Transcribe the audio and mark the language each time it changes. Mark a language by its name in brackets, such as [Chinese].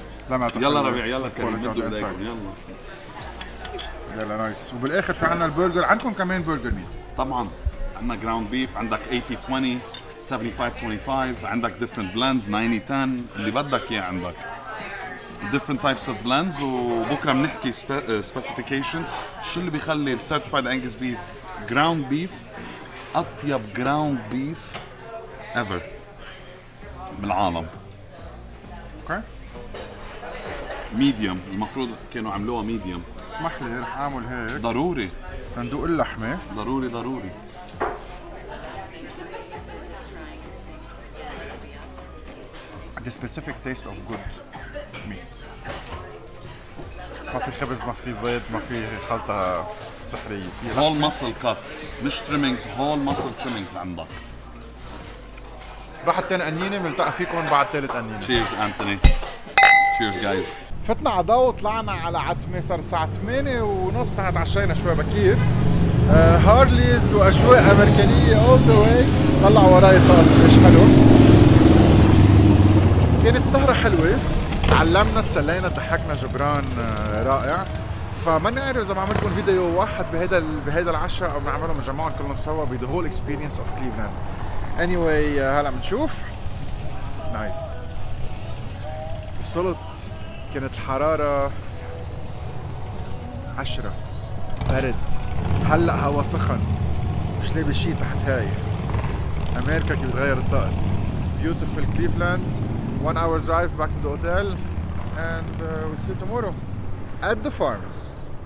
[Arabic] لما يلا ربيع يلا كريم يلا. يلا نايس. وبالآخر في عنا البرجر، عندكم كمان برجر ميل؟ طبعاً. عنا [English] ground beef، [Arabic] عندك 80-20, 75-25, عندك [English] different blends [Arabic] 90-10 اللي بدك إياه عندك. [English] different types of blends [Arabic] وبكره بنحكي [English] specifications [Arabic] شو اللي بيخلي [English] certified Angus beef ground beef [Arabic] اطيب [English] ground beef ever [Arabic] بالعالم. اوكي ميديوم المفروض كانوا عملوها ميديوم. اسمح لي رح اعمل هيك ضروري صندوق اللحمه ضروري ضروري. [English] the specific taste of good meat. [Arabic] ما في خبز ما في بيض ما في خلطة سحرية. [English] whole muscle cut [Arabic] مش [English] trimmings, whole muscle trimmings [Arabic] عندك. راح التاني قنينة ملتقى فيكم بعد تالت قنينة. [English] Cheers Anthony. Cheers guys. [Arabic] فتنا على ضو وطلعنا على عتمة، صارت ساعة 8 ونص، تعشينا شوي بكير. هارليز وأجواء أمريكانية [English] all the way. [Arabic] طلع وراي الطقس ليش حلو. كانت سهرة حلوة، تعلمنا، تسلينا، ضحكنا، جبران رائع. فما نعرف اذا بعملكم فيديو واحد بهذا العشاء او بنعمله مجموعه كلهم سوا بـ [English] the whole experience of Cleveland. [Arabic] anyway هلا بنشوف. نايس وصلت، كانت الحراره 10، برد، هلا هوا سخن، مش لابس شيء تحت. هاي امريكا كيف بتغير الطقس. [English] beautiful Cleveland. one hour drive back to the hotel. And we'll see you tomorrow at the farms.